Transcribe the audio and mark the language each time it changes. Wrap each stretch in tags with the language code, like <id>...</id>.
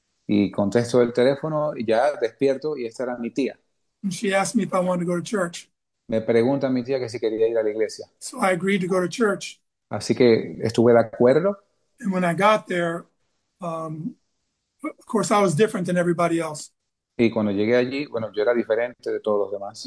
<es>y contesto el teléfono y ya despierto y esta era mi tía.</es> <en>And she asked me if I wanted to go to church.</en> <es>Me pregunta mi tía que si quería ir a la iglesia.</es> <en>So I agreed to go to church.</en> <es>Así que estuve de acuerdo.</es> <en>And when I got there, of course I was different than everybody else.</en> <es>Y cuando llegué allí, bueno, yo era diferente de todos los demás.</es>